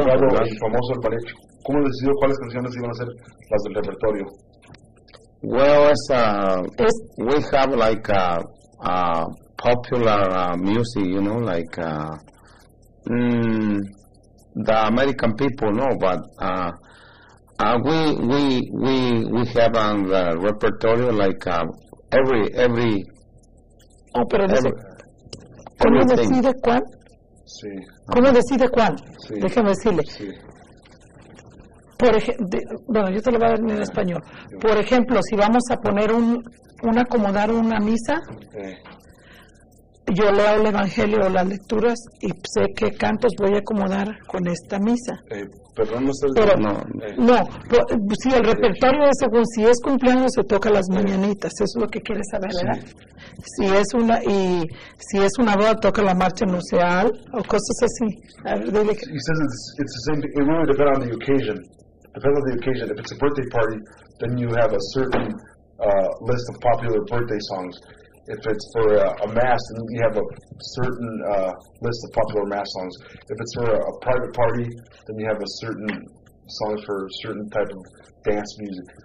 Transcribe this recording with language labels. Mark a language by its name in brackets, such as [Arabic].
[Spanish] el pareto, ¿cómo decidió cuáles canciones iban a ser las del repertorio? [English] Well, we have a popular music, the American people know, but we have on the repertory every [Spanish] ¿Cómo decide cuál? Sí. ¿Cómo decide cuál? Sí. Déjame decirle. Sí. Por bueno, yo te lo voy a dar en español. Por ejemplo, si vamos a poner un acomodar una misa, yo leo el evangelio o las lecturas y sé qué cantos voy a acomodar con esta misa. Si el repertorio es según si es cumpleaños, se toca las mañanitas. Eso es lo que quieres saber, ¿verdad? Sí. Si es una, y si es una boda, toca la marcha nupcial o cosas así. A ver, dile. [English] He says it's the same. It really depends on the occasion. Depends on the occasion. If it's a birthday party, then you have a certain list of popular birthday songs. If it's for a mass, then you have a certain list of popular mass songs. If it's for a private party, then you have a certain song for a certain type of dance music.